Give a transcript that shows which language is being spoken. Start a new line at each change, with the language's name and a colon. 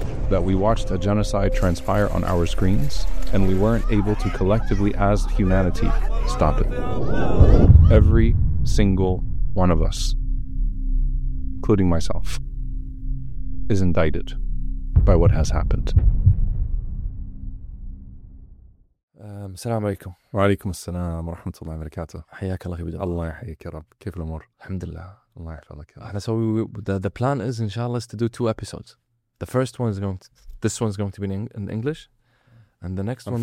English: That we watched a genocide transpire on our screens and we weren't able to collectively as humanity stop it. Every single one of us, including myself, is indicted by what has happened.
Arabic: السلام عليكم. وعليكم السلام ورحمة الله وبركاته. حياك الله يا بدر. الله يحييك يا رب. كيف الأمور؟ الحمد لله. الله يحفظك. احنا سوي
English: the plan is
Arabic: إن شاء الله
English: is to do two episodes. The first one is going to, this one is going to be in English and the next one